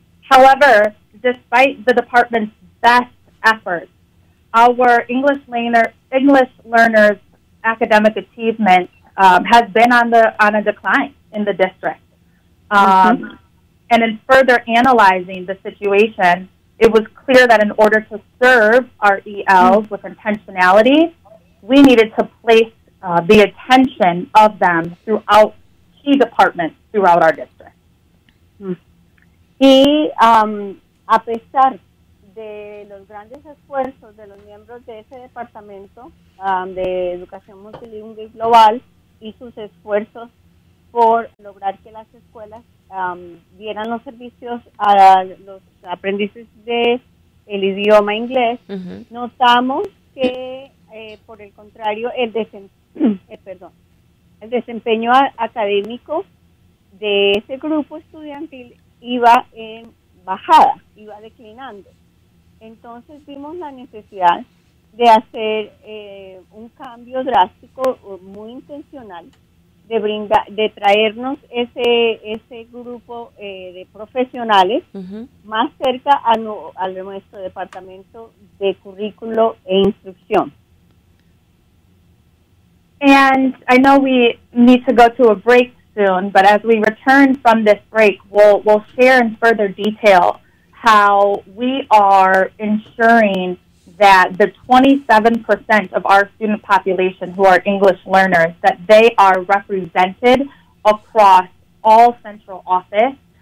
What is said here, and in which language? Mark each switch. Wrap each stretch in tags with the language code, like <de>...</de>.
<en>However, despite the department's best efforts, our English learners' academic achievement has been on a decline in the district. And in further analyzing the situation, it was clear that in order to serve our ELs with intentionality, we needed to place the attention of them throughout key departments throughout our district.</en> <es>Y a pesar de los grandes esfuerzos de los miembros de ese departamento de educación multilingüe global y sus esfuerzos por lograr que las escuelas dieran los servicios a los aprendices del idioma inglés, notamos que, por el contrario, el desempeño académico de ese grupo estudiantil iba en bajada, iba declinando. Entonces vimos la necesidad de hacer un cambio drástico, muy intencional, de traernos ese grupo de profesionales más cerca a nuestro departamento de currículo e instrucción.</es> <en>And I know we need to go to a break soon, but as we return from this break, we'll share in further detail how we are ensuring that the 27% of our student population who are English learners, that they are represented across all central office</en>